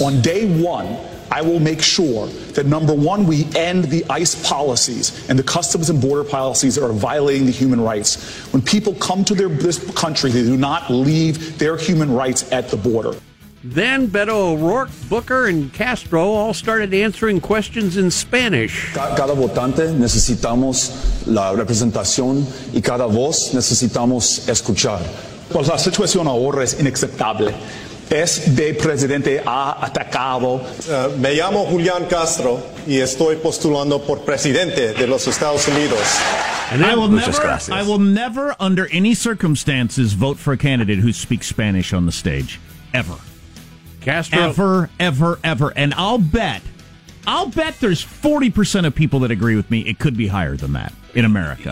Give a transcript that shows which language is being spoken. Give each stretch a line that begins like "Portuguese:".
English: On day one, I will make sure that, number one, we end the ICE policies and the customs and border policies that are violating the human rights. When people come to this country, they do not leave their human rights at the border. Then Beto O'Rourke, Booker, and Castro all started answering questions in Spanish.
Spanish: Cada votante necesitamos la representación y cada voz necesitamos escuchar. Pues la situación ahora es inaceptable. Este presidente ha atacado. Me llamo Julián Castro y estoy postulando por presidente de los Estados Unidos.
English: And then, I will never, under any circumstances, vote for a candidate who speaks Spanish on the stage. Ever. Castro. Ever, ever, ever. And I'll bet there's 40% of people that agree with me. It could be higher than that in America.